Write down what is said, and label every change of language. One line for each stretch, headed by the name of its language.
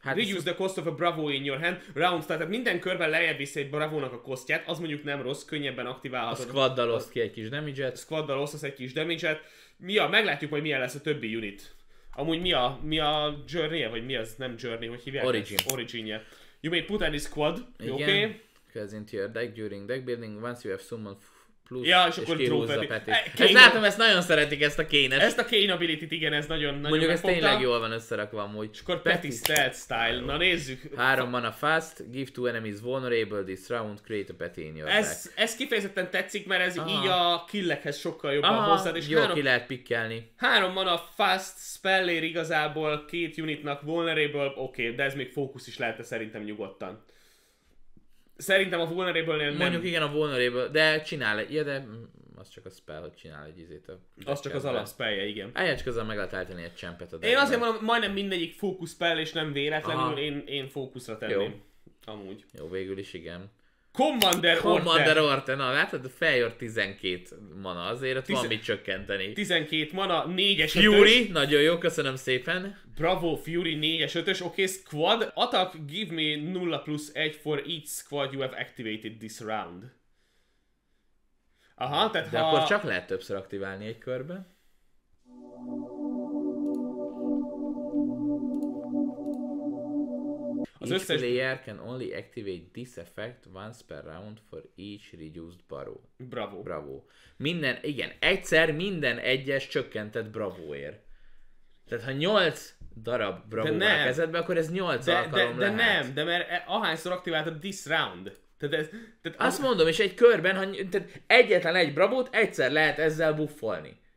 Hungarian: Hát
English: reduce the cost of a bravo in your hand, round,
Hungarian: tehát minden körben lejjebb vissza egy bravónak a kosztját, az mondjuk nem rossz, könnyebben aktiválhatod. A squaddal oszt ki egy kis damage-et. Squaddal osztasz egy kis damage-et. Ja, meglátjuk, hogy milyen lesz a többi unit. Amúgy mi a journey-e, vagy mi az nem journey, hogy hívják? Origin-je.
English: You may put any squad,
Hungarian: jó, oké?
English: Because into your deck during deck building, once you have summoned plusz,
Hungarian: ja, és akkor kihúzza Petit. Ezt látom, ezt nagyon szeretik, ezt a Kane-es. Ezt a Kane ability-t, igen, ez nagyon megfogta. Mondjuk ez tényleg jól van összerakva amúgy. És akkor Petty stealth style, na nézzük.
English: 3 mana fast, give two enemies vulnerable this round, create a Petty in your deck.
Hungarian: Ez kifejezetten tetszik, mert ez így a killekhez sokkal jobban hozzád. Jó, ki lehet pikkelni. 3 mana fast spellér igazából két unitnak vulnerable, oké, de ez még fókusz is lehet szerintem nyugodtan. Szerintem a vulnerable-nél nem... Mondjuk igen, a vulnerable, de csinál egy... Ja, de az csak a spell, hogy csinál egy izét a... Az csak az alapspellje, igen. Eljárt közben meg lehet állítani egy csempet a deckbe. Én azért mondom, majdnem mindegyik fókusz spell, és nem véletlenül, én fókuszra tenném. Jó. Amúgy. Jó, végül is igen. Commander Orte, na látod, a Fejor 12 mana, azért ott van mit csökkenteni. 12 mana, 4-es, 5-ös. Fury, nagyon jó, köszönöm szépen. Bravo, Fury, 4-es, 5-ös, oké, squad.
English: Attack, give me 0+1 for each squad you have activated this round.
Hungarian: Aha, tehát de akkor csak lehet többször aktiválni egy körben.
English: Each player can only activate this effect once per round for each reduced bravo.
Hungarian: Bravo. Bravo. Minden, igen, egyszer minden egyes csökkentett bravóért. Tehát ha 8 darab bravó van a kezedben, akkor ez 8 alkalom lehet. De nem, de mert ahányszor aktiváltad
English: this round.
Hungarian: Tehát azt mondom, és egy körben, tehát egyetlen egy bravót egyszer lehet ezzel buffolni.